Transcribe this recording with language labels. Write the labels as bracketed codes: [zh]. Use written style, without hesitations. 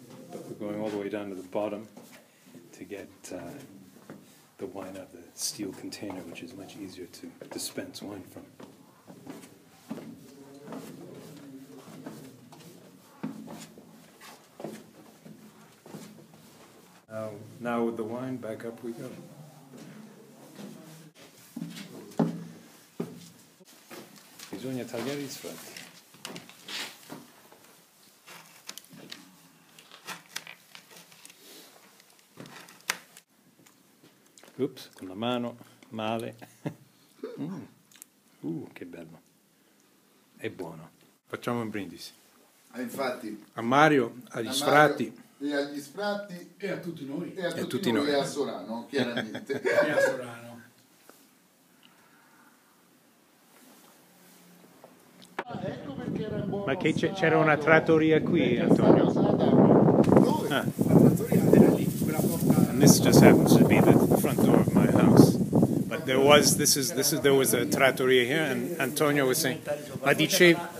[en] But we're going all the way down to the bottom to get the wine out of the steel container, which is much easier to dispense wine from. Now with the wine, back up we go. [it] Bisogna tagliare i sfratti. Ups, con la mano, male. Che bello. È buono. Facciamo un brindisi. Infatti. A Mario, agli sfratti. E agli sfratti. E a tutti noi. E a tutti noi. E a Sorano, chiaramente. E a Sorano. Ma che c'era una trattoria qui, Antonio? [en] And this just happens to be the front door of my house. But there was there was a trattoria here, and Antonio was saying, [it] ma dicevi?